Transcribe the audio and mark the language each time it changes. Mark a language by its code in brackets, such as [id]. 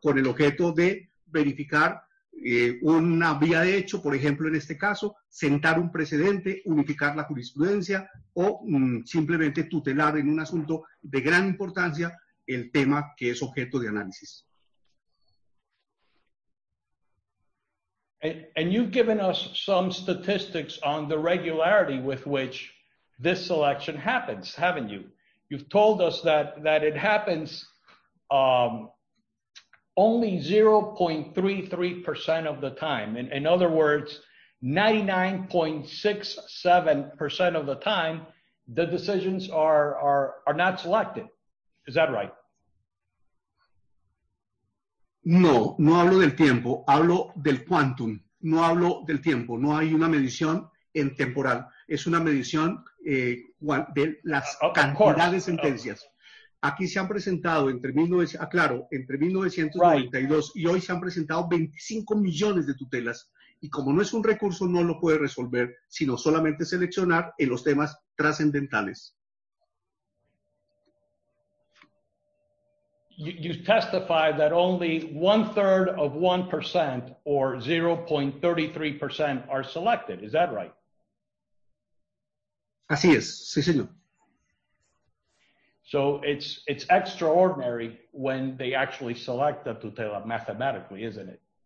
[es] con el objeto de verificar una vía de hecho, por ejemplo, en este caso, sentar un precedente, unificar la jurisprudencia o simplemente tutelar en un asunto de gran importancia el tema que es objeto de análisis. [en] And you've given us some statistics on the regularity with which this selection happens, haven't you? You've told us that it happens only 0.33% of the time. In other words, 99.67% of the time, the decisions are not selected. Is that right? [es] No hablo del tiempo, hablo del quantum. No hablo del tiempo, no hay una medición en temporal. Es una medición de las cantidades de sentencias. Aquí se han presentado entre 1992, [en] right, [es] y hoy se han presentado 25 millones de tutelas. Y como no es un recurso, no lo puede resolver, sino solamente seleccionar en los temas trascendentales. [en] you testified that only 1/3 of 1% or 0.33% are selected. Is that right? [es] Así es, sí, señor. [en] So it's extraordinary when they actually select the tutela mathematically, isn't it?